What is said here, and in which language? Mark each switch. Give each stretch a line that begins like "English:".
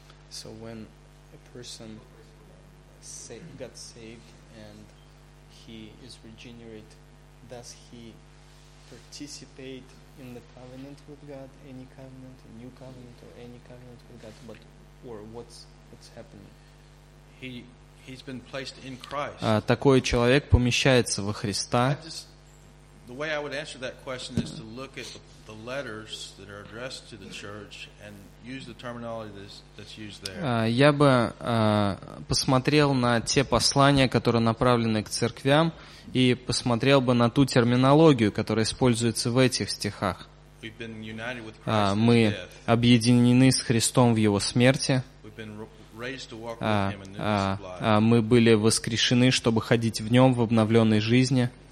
English: So when a person got saved and he is regenerate, does he participate in the covenant with God, any covenant, a new covenant, or any covenant with God, but or what's happening? He's been placed in Christ.
Russian: Такой человек помещается во Христа.
English: The way I would answer that question is to look at the letters that are addressed to the church and use the terminology that's used there.
Russian: Я бы посмотрел на те послания, которые направлены к церквям, и посмотрел бы на ту терминологию, которая используется в этих стихах.
English: We've been united with Christ in death.
Russian: Мы объединены с Христом в его смерти.
English: We've been raised to walk with him in newness of life.
Russian: Мы были воскрешены, чтобы ходить в нем в обновленной жизни.